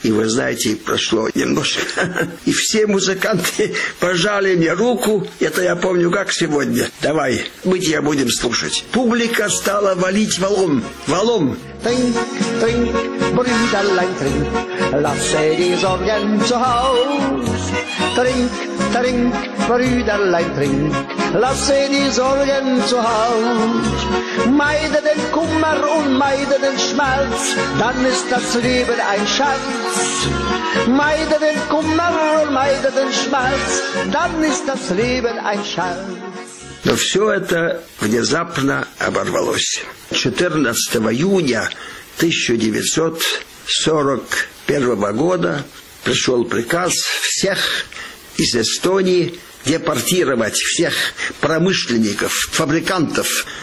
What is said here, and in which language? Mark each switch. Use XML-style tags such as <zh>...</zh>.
<ru>И вы знаете, прошло немножко. И все музыканты пожали мне руку. Это я помню как сегодня. Давай, мы тебя будем слушать. Публика стала валить валом. Валом.</ru> <de>Тринь, тринь, бринь, тринь, тринь. Ла сэри зо гэн, зо хаус. trink, trink, Brüderlein, trink. Lasse die Sorgen zu Haus, meide den Kummer und meide den Schmerz, dann ist das Leben ein Schatz. Meide den Kummer und meide den Schmerz, dann ist das Leben ein Schatz.</de> <ru>Но все это внезапно оборвалось. 14 июня 1941 года пришел приказ всех из Эстонии депортировать, всех промышленников, фабрикантов.</ru>